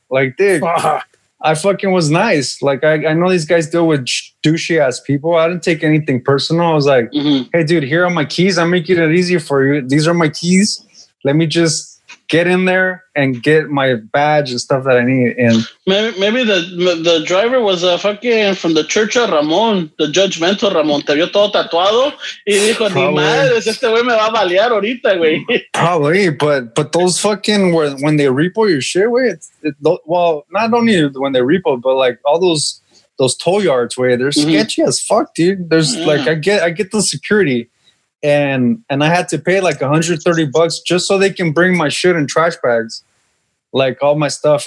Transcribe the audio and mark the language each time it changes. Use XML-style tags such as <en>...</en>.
<en>Like, dude, I fucking was nice. Like, I know these guys deal with douchey ass people. I didn't take anything personal. I was like, hey, dude, here are my keys. I'm making it easier for you. These are my keys. Let me just get in there and get my badge and stuff that I need. And maybe the driver was a fucking from the Church of Ramon, the judgmental Ramon.</en> <es>Te vio todo tatuado y dijo, ni madres, este güey me va a balear ahorita, güey.</es> <en>Probably, but those fucking when they repo your shit, güey. Well, not only when they repo, but like all those tow yards, güey. They're sketchy as fuck, dude. There's like I get the security. And I had to pay like $130 just so they can bring my shit in trash bags, like all my stuff.</en>